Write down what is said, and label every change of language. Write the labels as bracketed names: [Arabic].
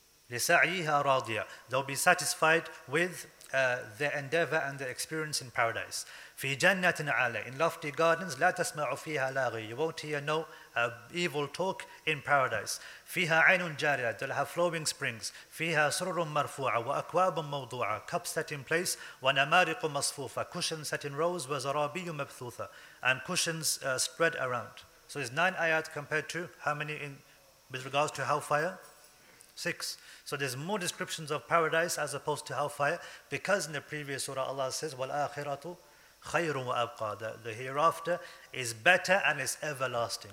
[Arabic] لِسَعْيِهَا رَاضِيَةٌ, [English] they'll be satisfied with their endeavor and their experience in paradise. [Arabic] فِي جَنَّةٍ عَلَىٰ, [English] in lofty gardens, [Arabic] لَا تَسْمَعُ فِيهَا لَغِيٍّ, [English] you won't hear no evil talk in paradise. [Arabic] فِيهَا عَيْنٌ جَارِيَةٌ, [English] they'll have flowing springs. [Arabic] فِيهَا سُرُرٌ مَرْفُوعَةٌ وَأَكْوَابٌ مَوْضُوعَةٌ, [English] cups set in place. [Arabic] وَنَمَارِقُ مَصْفُوفَةٌ, [English] cushions set in rows. [Arabic] وَزَرَابِيُّ مَبْثُوثَةٌ, [English] and cushions spread around. So it's nine ayat compared to how many in with regards to hellfire? Six. So there's more descriptions of paradise as opposed to hellfire, because in the previous surah Allah says, [Arabic] وَالْآخِرَةُ خَيْرٌ وَأَبْقَى, [English] the hereafter is better and is everlasting.